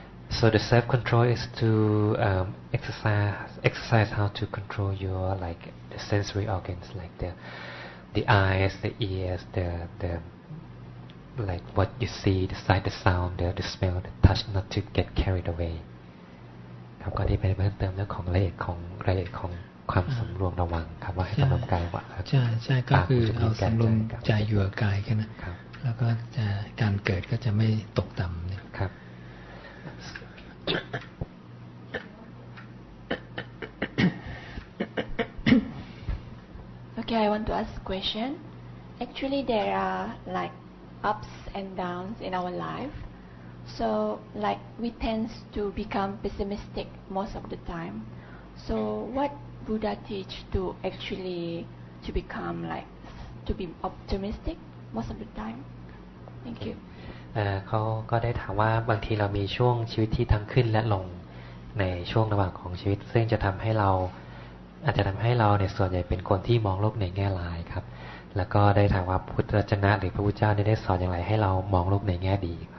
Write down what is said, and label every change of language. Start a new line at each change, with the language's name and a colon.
English: So the self-control is to exercise how to control your like the sensory organs, like the eyes, the ears, the like what you see, the sight, the sound, the smell, the touch, not to get carried away.
Thai: ครับก็ที่เป็นเพิ่มเติมเรื่องของรายละเอียดของความสำรวมระวังครับว่าให้สำรวมกายว่า ใช่ใช่ก็คือเอาสำรวมใจอยู่กับกายแค่นั้นแล้วก็จะการเกิดก็จะไม่ตกต่ำเนี่ย ครับ
English: Okay, I want to ask a question. Actually, there are like ups and downs in our life. So, like, we tend to become pessimistic most of the time. So, what Buddha teach to actually to become like to be optimistic most of the time? Thank you.
Thai: เขาก็ได้ถามว่าบางทีเรามีช่วงชีวิตที่ทั้งขึ้นและลงในช่วงระหว่างของชีวิตซึ่งจะทำให้เราอาจจะทำให้เราในส่วนใหญ่เป็นคนที่มองโลกในแง่ร้ายครับแล้วก็ได้ถามว่าพุทธวจนะหรือพระพุทธเจ้าได้สอนอย่างไรให้เรามองโลกในแง่ดี